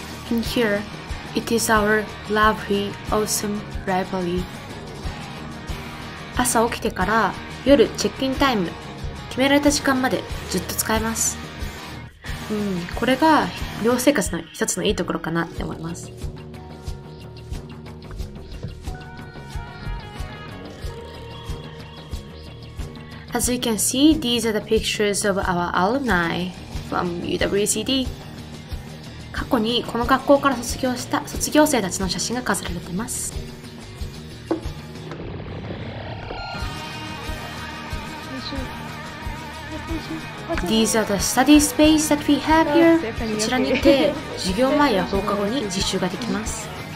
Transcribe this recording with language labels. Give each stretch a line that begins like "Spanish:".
English: In here, it is our lovely, awesome rivalry.
Japanese: 朝起きてから夜チェックインタイム、決められた時間までずっと使えます。これが寮生活の一つのいいところかなって思います。
English: As you can see, these are the pictures of our alumni from UWCD.
Japanese: 過去にこの学校から卒業した卒業生たちの写真が飾られています。
English: These are the study space that we have here.
Japanese: こちらにて授業前や放課後に実習ができます。